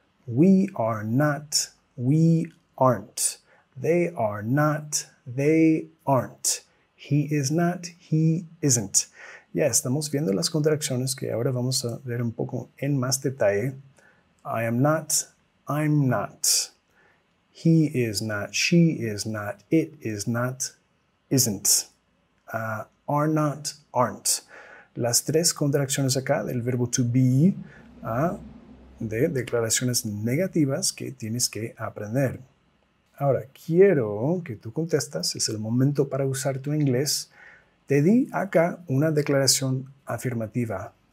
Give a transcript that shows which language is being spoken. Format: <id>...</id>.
<en>We are not, we aren't. They are not, they aren't. He is not, he isn't.</en> <es>Ya, estamos viendo las contracciones que ahora vamos a ver un poco en más detalle.</es> <en>I am not, I'm not. He is not, she is not, it is not, isn't. Are not, aren't.</en> <es>Las tres contracciones acá del verbo to be, de declaraciones negativas que tienes que aprender. Ahora, quiero que tú contestas, es el momento para usar tu inglés. Te di acá una declaración afirmativa.</es>